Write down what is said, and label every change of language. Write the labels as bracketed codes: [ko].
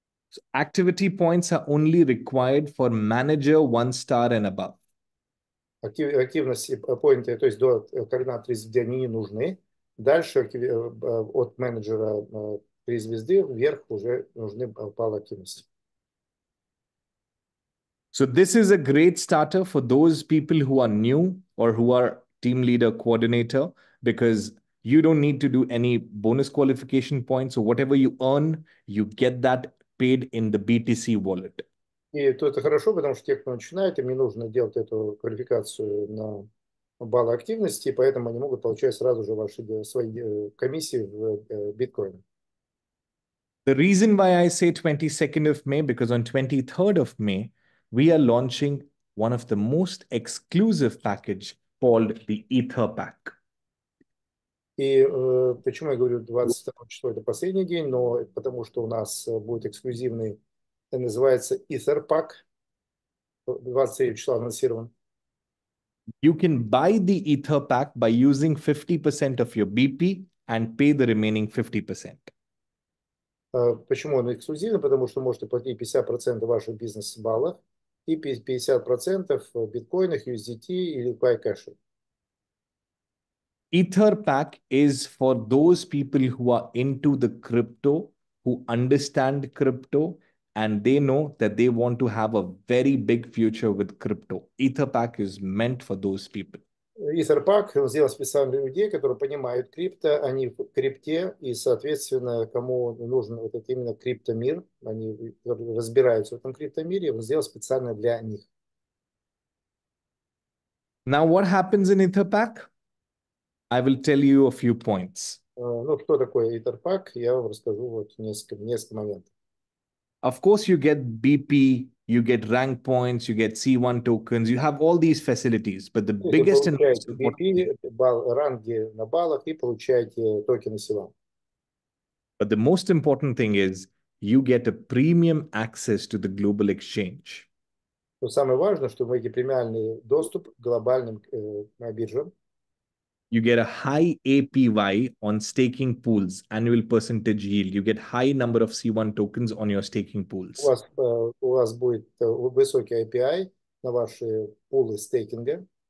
[en] So activity points are only required for manager 1-star and above. [ru] Активности поинты, то есть до координатора 3 звезды, они не нужны. Дальше от менеджера 3 звезды вверх уже нужны баллы активности. [en] So this is a great starter for those people who are new or who are team leader coordinator, because you don't need to do any bonus qualification points. So whatever you earn, you get that paid in the BTC wallet. [ru] И то это хорошо, потому что те, кто начинает, им не нужно делать эту квалификацию на баллы активности, поэтому они могут получать сразу же ваши свои комиссии в биткоине. [en] The reason why I say 22nd of May, because on 23rd of May, we are launching one of the most exclusive package called the Ether Pack. [ru] И почему я говорю 22 число, это последний день, но потому что у нас будет эксклюзивный, это называется Ether Pack, 23 числа анонсирован. [en] You can buy the Ether Pack by using 50% of your BP and pay the remaining 50%. [ru] Почему он эксклюзивный? Потому что можете платить 50% ваших бизнес-баллов и 50% в биткоинах, USDT или байкэше. [en] Ether Pack is for those people who are into the crypto, who understand crypto, and they know that they want to have a very big future with crypto. Ether Pack is meant for those people. [ru] Ether Pack сделан специально для людей, которые понимают крипто, они в крипте, и, соответственно, кому нужен вот этот именно криптомир, они разбираются в этом криптомире, он сделан специально для них. [en] Now, what happens in Ether Pack? I will tell you a few points. [ru] Ну, что такое Ether Pack? Я вам расскажу вот несколько моментов. [en] Of course, you get BP, you get rank points, you get C1 tokens, you have all these facilities. But the biggest and most important thing, [ru] ранги на баллах и получаете токены C1. [en] But the most important thing is you get a premium access to the global exchange. [ru] Но самое важное, что вы имеете премиальный доступ к глобальным биржам. [en] You get a high APY on staking pools, annual percentage yield. You get high number of C1 tokens on your staking pools. [ru] У вас будет высокий API на ваши пулы стейкинга.